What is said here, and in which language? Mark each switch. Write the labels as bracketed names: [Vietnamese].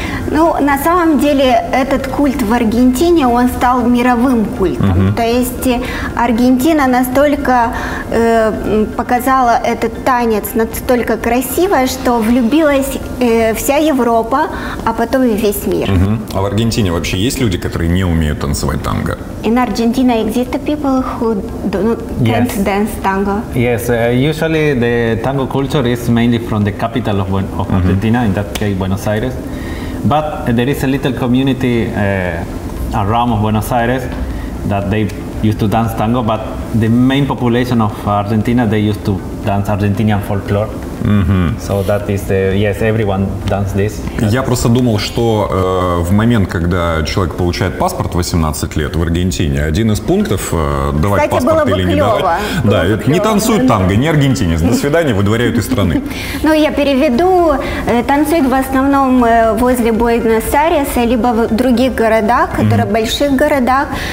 [Russian] Ну, на самом деле, этот культ в Аргентине, он стал мировым культом. Угу. То есть Аргентина настолько показала этот танец настолько красиво, что влюбилась вся Европа, а потом и весь мир. Угу. А в Аргентине вообще есть люди, которые не умеют танцевать танго? [English] In Argentina exist people who can't dance tango. Yes, usually the tango culture is mainly from the capital of Argentina, in that case Buenos Aires. But there is a little community around of Buenos Aires that they used to dance tango, but the main population of Argentina, they used to dance Argentinian folklore. Mm-hmm. So that is the, yes, everyone dance this. [Russian] Я просто думал, что в момент, когда человек получает паспорт 18 лет в Аргентине, один из пунктов давать Кстати, паспорт или не клёво. Давать. Да, не танцуют танго, не аргентинец. До свидания, выдворяют из страны. Ну, я переведу. Танцуют в основном возле Буэнос-Айреса, либо в других городах, которые больших городах.